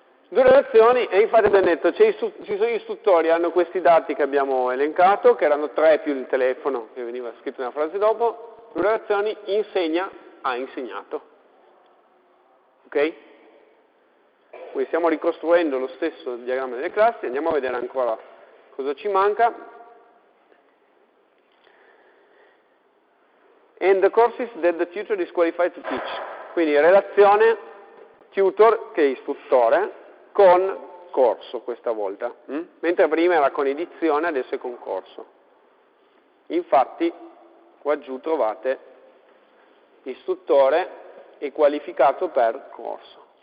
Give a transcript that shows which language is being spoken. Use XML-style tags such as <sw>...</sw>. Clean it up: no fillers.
<it>Due nazioni, e infatti abbiamo detto, ci sono gli istruttori, hanno questi dati che abbiamo elencato, che erano tre più il telefono, che veniva scritto nella frase dopo. Due nazioni, insegna, ha insegnato. Ok? Quindi stiamo ricostruendo lo stesso diagramma delle classi, andiamo a vedere ancora cosa ci manca.</it> <en>And the courses that the tutor is qualified to teach.</en> <it>Quindi relazione tutor, che è istruttore, con corso questa volta. Mentre prima era con edizione, adesso è con corso. Infatti, qua giù trovate istruttore e qualificato per corso.</it>